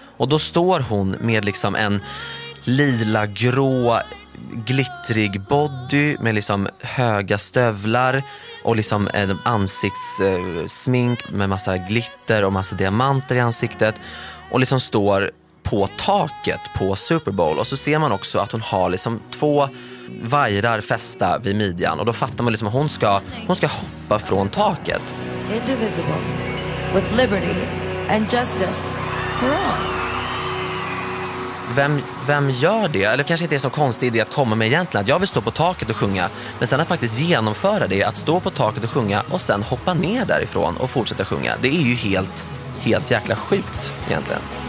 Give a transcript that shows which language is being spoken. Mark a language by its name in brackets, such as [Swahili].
[Swedish] Och då står hon med liksom en lila grå glittrig body med liksom höga stövlar och liksom en ansiktssmink med massa glitter och massa diamanter i ansiktet och liksom står på taket på Super Bowl. Och så ser man också att hon har liksom två vajrar fästa vid midjan. Och då fattar man liksom att hon ska hoppa från taket. [English] Indivisible, with liberty and justice for all. [Swedish] Vem gör det? Eller kanske inte är så konstig idé att komma med egentligen att jag vill stå på taket och sjunga, men sen att faktiskt genomföra det, att stå på taket och sjunga och sen hoppa ner därifrån och fortsätta sjunga. Det är ju helt, helt jäkla sjukt egentligen.